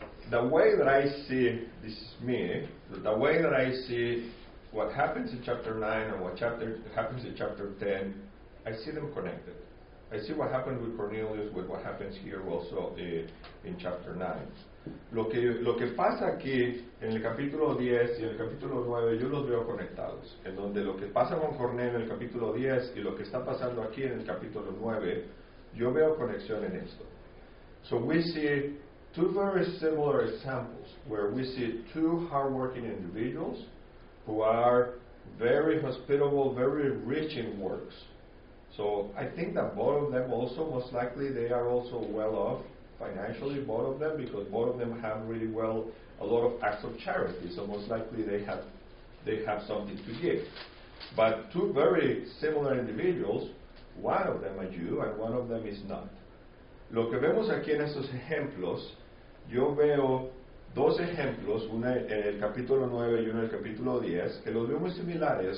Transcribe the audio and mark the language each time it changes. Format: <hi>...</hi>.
<en>The way that I see, this is me, the way that I see what happens in chapter 9 and what happens in chapter 10, I see them connected. I see what happened with Cornelius with what happens here also in chapter 9.</en> <es>Lo que pasa aquí en el capítulo 10 y en el capítulo 9, yo los veo conectados. En donde lo que pasa con Cornelius en el capítulo 10 y lo que está pasando aquí en el capítulo 9, yo veo conexión en esto.</es> <en>So we see two very similar examples where we see two hardworking individuals who are very hospitable, very rich in works. So I think that both of them also, most likely, they are also well off financially, both of them, because both of them have really well a lot of acts of charity. So most likely they have something to give. But two very similar individuals, one of them a Jew and one of them is not.</en> <es>Lo que vemos aquí en estos ejemplos, yo veo dos ejemplos, uno en el capítulo 9 y uno en el capítulo 10, que los veo muy similares.</es>